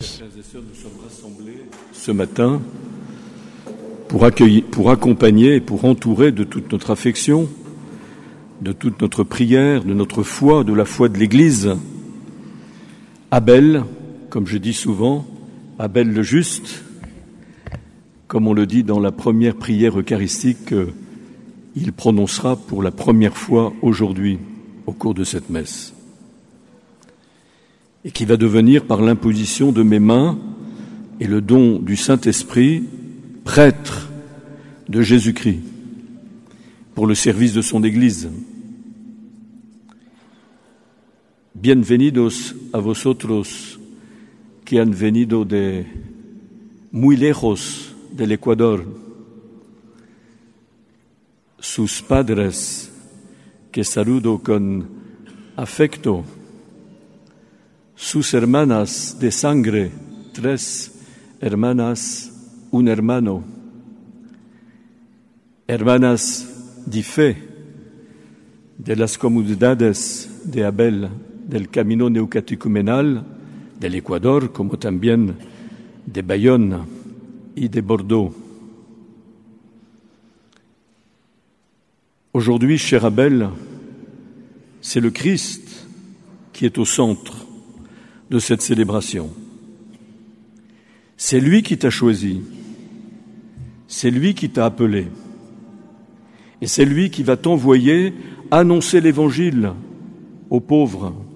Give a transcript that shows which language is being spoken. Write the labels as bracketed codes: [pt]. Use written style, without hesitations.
[fr] Frères et sœurs, nous sommes rassemblés ce matin pour accueillir, pour accompagner et pour entourer de toute notre affection, de toute notre prière, de notre foi, de la foi de l'Église, Abel, comme je dis souvent, Abel le juste, comme on le dit dans la première prière eucharistique qu'il prononcera pour la première fois aujourd'hui au cours de cette messe. Et qui va devenir, par l'imposition de mes mains et le don du Saint-Esprit, prêtre de Jésus-Christ pour le service de son Église. [es] Bienvenidos a vosotros que han venido de muy lejos del Ecuador. Sus padres, que saludo con afecto. Sus hermanas de sangre, tres hermanas, un hermano. Hermanas de fe, de las comunidades de Abel, del Camino Neocatecumenal, del Ecuador, como también de Bayonne y de Bordeaux. [fr] Aujourd'hui, cher Abel, c'est le Christ qui est au centre de cette célébration. C'est lui qui t'a choisi, c'est lui qui t'a appelé, et c'est lui qui va t'envoyer annoncer l'Évangile aux pauvres.